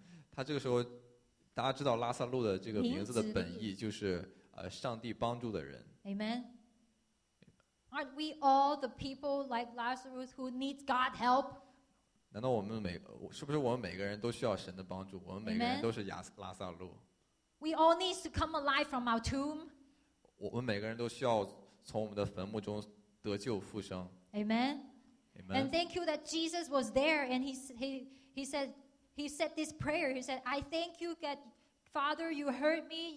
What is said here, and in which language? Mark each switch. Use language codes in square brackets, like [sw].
[zh] 他这个时候，大家知道拉萨路的这个名字的本意就是上帝帮助的人。 [en] Amen. Aren't we all the people like Lazarus who needs God's help? [zh] 难道我们每是不是我们每个人都需要神的帮助？我们每个人都是拉萨路。 [en] We all need to come alive from our tomb. [zh] 我们每个人都需要从我们的坟墓中得救复生。 [en] Amen. Amen. And thank you that Jesus was there, and he said this prayer. He said, "I thank you that Father, you heard me.